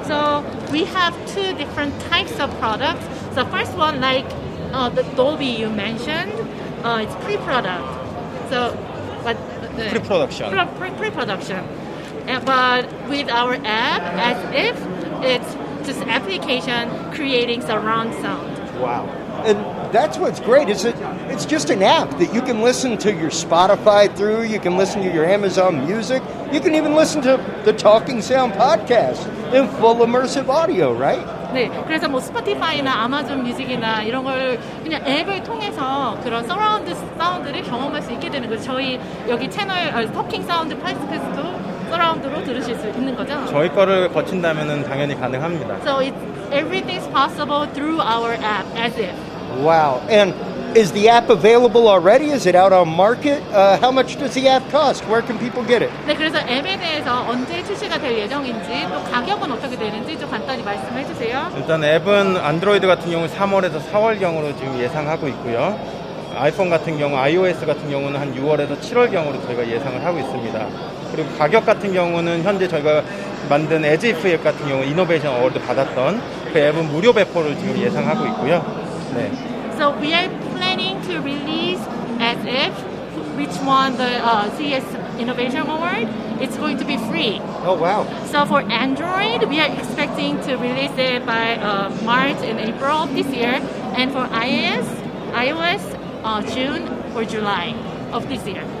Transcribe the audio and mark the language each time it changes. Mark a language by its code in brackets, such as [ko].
[en] So we have two different types of products. The first one, like the Dolby you mentioned, it's pre-product. So, but pre-production. Pre-production. But with our app, As If, it's just application creating surround sound. Wow. And that's what's great, is it's just an app that you can listen to your Spotify through, you can listen to your Amazon Music, you can even listen to the Talking Sound podcast in full immersive audio, right? [ko] 네, 그래서 뭐 스포티파이나 아마존 뮤직이나 이런 걸 그냥 앱을 통해서 그런 서라운드 사운드를 경험할 수 있게 되는 거죠. 저희 여기 채널, 토킹 사운드 팟캐스트도 서라운드로 들으실 수 있는 거죠? 저희 거를 거친다면 당연히 가능합니다. [en] So everything's possible through our app, As If. Wow, and is the app available already? Is it out on market? How much does the app cost? Where can people get it? [ko] 네, 그래서 앱에 대해서 언제 출시가 될 예정인지 또 가격은 어떻게 되는지 좀 간단히 말씀해 주세요. 일단 앱은 안드로이드 같은 경우 3월에서 4월경으로 지금 예상하고 있고요. 아이폰 같은 경우, iOS 같은 경우는 한 6월에서 7월경으로 저희가 예상을 하고 있습니다. 그리고 가격 같은 경우는 현재 저희가 만든 As If 앱 같은 경우 이노베이션 어워드 받았던 그 앱은 무료 배포를 지금 예상하고 있고요. 네. [en] So we are planning to release As If, which won the CES Innovation Award. It's going to be free. Oh, wow. So for Android, we are expecting to release it by March and April this year. And for iOS, June or July of this year.